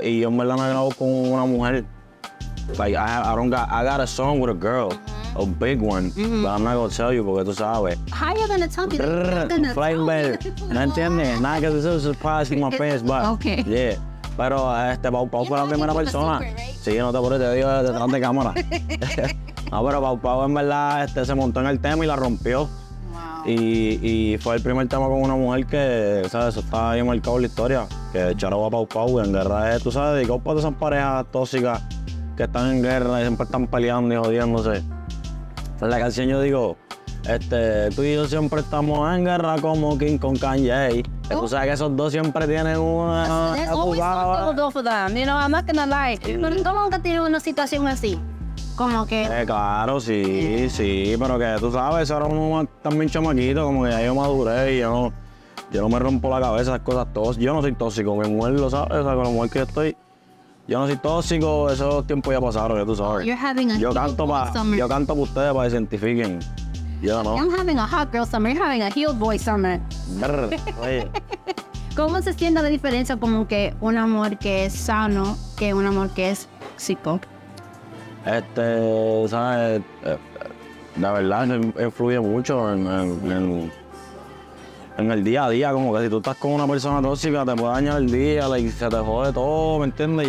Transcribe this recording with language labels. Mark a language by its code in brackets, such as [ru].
[es] Y yo en verdad me grabo con una mujer. [en] Like I got a song with a girl, a big one, mm-hmm. But I'm not gonna tell you [es] porque tú sabes. [en] How are you gonna tell me? Flight better. [es] ¿Me entiendes? [en] Not because it's a surprise to my friends, but okay. Yeah. [es] Pero Pau fue la primera persona. [en] Secret, right? [es] Sí, no te pones, te digo detrás de cámara. No, pero Pau en verdad se montó en el tema y la rompió. [en] Wow. [es] Y fue el primer tema con una mujer que, sabes, eso está ahí marcado en la historia. Que echaron a Pau en guerra, tú sabes, dedicó para esas parejas tóxicas. Que están en guerra y siempre están peleando y jodiéndose. En la canción yo digo, tú y yo siempre estamos en guerra como King con Kanye. Oh. Tú sabes que esos dos siempre tienen una... [en] There's always something for them, you know, I'm not gonna lie. Mm. [es] Pero ¿cómo que tiene una situación así? Como que... Claro, sí, yeah. Sí, pero que tú sabes, ahora uno también chamaquito, como que ya yo maduré y yo no me rompo la cabeza, esas cosas todas. Yo no soy tóxico, mi mujer lo sabe, o sea, con la mujer que estoy... Yo no soy tóxico, esos tiempos ya pasaron, tú sabes. [en] You're having a [es] yo canto [en] hot girl summer. [es] Yo canto para ustedes, para que se identifiquen. Yo no. [en] I'm having a hot girl summer, you're having a healed boy summer. Brr, oye. [es] ¿Cómo se siente la diferencia como que un amor que es sano que un amor que es tóxico? ¿Sabes? La verdad, influye mucho en en el día a día, como que si tú estás con una persona tóxica, te puede dañar el día, like, se te jode todo, ¿me entiendes?